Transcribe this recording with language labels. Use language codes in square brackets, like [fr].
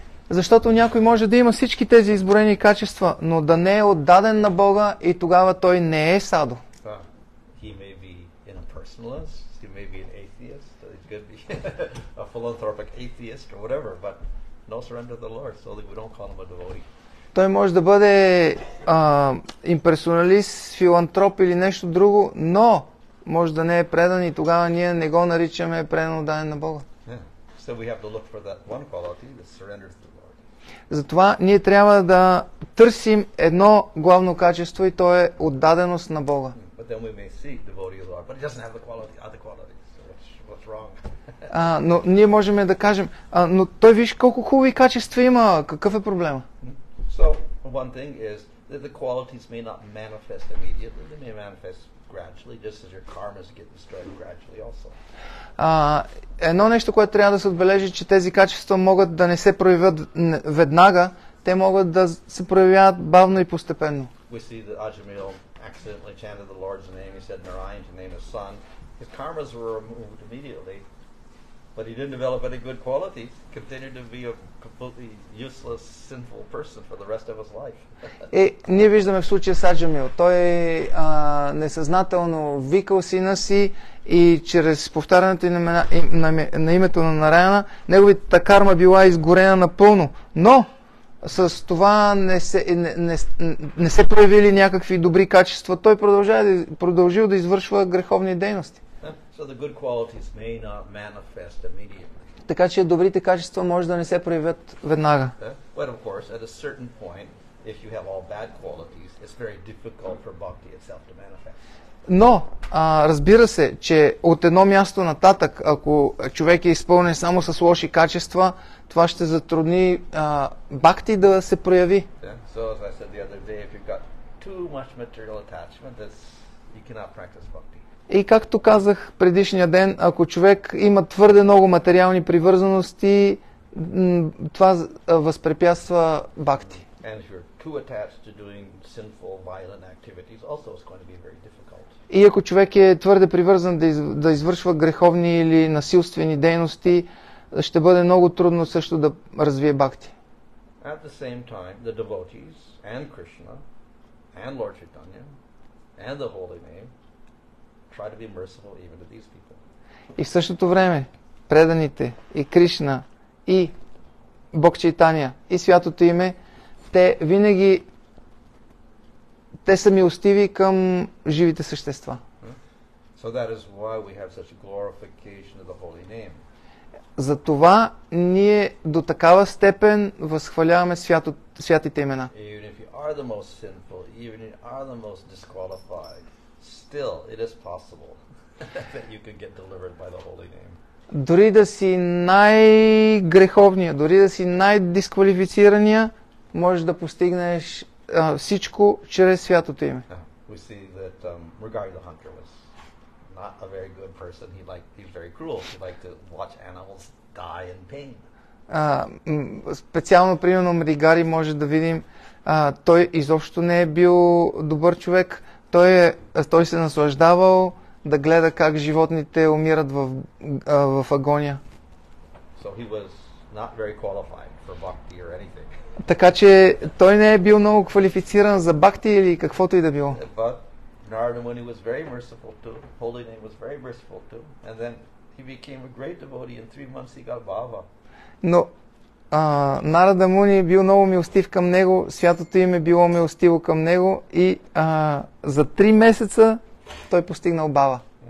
[bg] Защото някой може да има всички тези изборени качества, но да не е отдаден на Бога и тогава той не е садо. [en] He may be an impersonalist, he may be an atheist, he could be a philanthropic atheist or whatever, but no surrender to the Lord, so we don't call him a devotee. [bg] Той може да бъде имперсоналист, филантроп или нещо друго, но може да не е предан и тогава ние не го наричаме предан отдаден на Бога. [en] So we have to look for that one quality, the surrender to the Lord. [bg] Затова ние трябва да търсим едно главно качество и то е отдаденост на Бога. [en] But then we may see the devotee of the Lord, but it doesn't have the quality, other qualities. So what's wrong? [bg] Но ние можем да кажем, но той виж колко хубави качества има, какъв е проблема? [en] So one thing is that the qualities may not manifest immediately, they may manifest gradually, just as your karmas get destroyed gradually also. [bg] Едно нещо, което трябва да се отбележи, че тези качества могат да не се проявят веднага, те могат да се проявяват бавно и постепенно. [en] We see that Ajamil accidentally chanted the Lord's name, he said Narayan to name his son. His karmas were removed immediately, but he didn't develop any good quality, continued to be a completely useless, sinful person for the rest of his life. [bg] Е, ние виждаме в случая с Аджамил. Той несъзнателно викал сина си и чрез повтарянето на името на Нараяна, неговата карма била изгорена напълно. Но с това не се проявили някакви добри качества. Той продължил да извършва греховни дейности. [en] So the good qualities may not manifest immediately. [bg] Така че добрите качества може да не се проявят веднага. [en] But of course, at a certain point, if you have all bad qualities, it's very difficult for bhakti itself to manifest. [bg] Но, разбира се, че от едно място нататък, ако човек е изпълнен само с лоши качества, това ще затрудни бхакти да се прояви. [en] So, as I said the other day, if you've got too much material attachment, you cannot practice bhakti. [bg] И както казах предишния ден, ако човек има твърде много материални привързаности, това възпрепятства бхакти. [en] And if you're too attached to doing sinful, violent activities, also it's going to be very difficult. [bg] И ако човек е твърде привързан да извършва греховни или насилствени дейности, ще бъде много трудно също да развие бхакти. [en] At the same time, the devotees and Krishna and Lord Chaitanya and the holy name try to be merciful even to these people. [bg] И в същото време, преданите и Кришна и Бог Чайтания и Святото име, те винаги те са милостиви към живите същества. [en] So that is why we have such a glorification of the holy name. [bg] Затова ние до такава степен възхваляваме святите имена. [en] Even if you are the most sinful, even if you are the most disqualified, still it is possible that you can get delivered by the holy name. [bg] Дори да си най-греховния, дори да си най-дисквалифицирания, можеш да постигнеш всичко чрез святото име. [en] We see that regarding the hunter was not a very good person. He liked, he was very cruel. He liked to watch animals die in pain. [bg] Специално примерно Мригари може да видим, той изобщо не е бил добър човек. Той се наслаждавал да гледа как животните умират в агония. [en] So he was not very qualified for bhakti or anything. [bg] Така че той не е бил много квалифициран за бхакти или каквото и да било. [en] But Narada Muni was very merciful too. Holy name was very merciful too. And then he became a great devotee. In 3 months he got bhava. [bg] Но Narada Muni е бил много милостив към него, святото име било милостиво към него и за 3 месеца той постигнал бава.